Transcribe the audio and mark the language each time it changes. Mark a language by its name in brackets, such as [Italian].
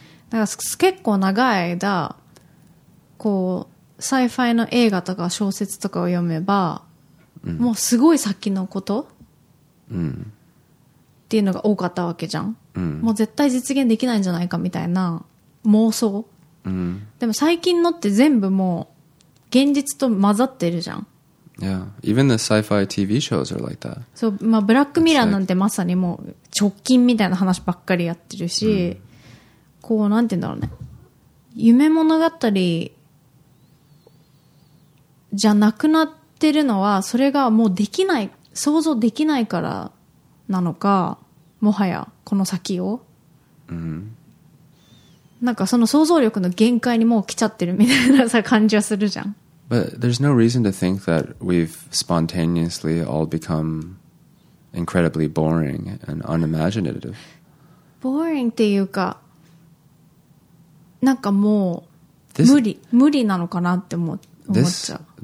[Japanese] だから結構長い間、こう、サイファイの映画とか小説とかを読めば、うん、もうすごい先のこと、うん、っていうのが多かったわけじゃん。うん、もう絶対実現できないんじゃないかみたいな妄想、うん、でも最近のって全部もう現実と混ざってるじゃん。 [English] Yeah, even the sci-fi TV shows are like that. [Japanese] そう、まあ、ブラックミラーなんてまさにもう直近みたいな話ばっかりやってるし、うん、こうなんて言うんだろうね、夢物語じゃなくなってるのはそれがもうできない、想像できないからなのか、もはやこの先を、うん、なんかその想像力の限界にもう来ちゃってるみたいなさ感じはするじゃん。 [English] But there's no reason to think that we've spontaneously all become incredibly boring and unimaginative. [Japanese] Boring っていうかなんかもう無理なのかなって思っちゃう。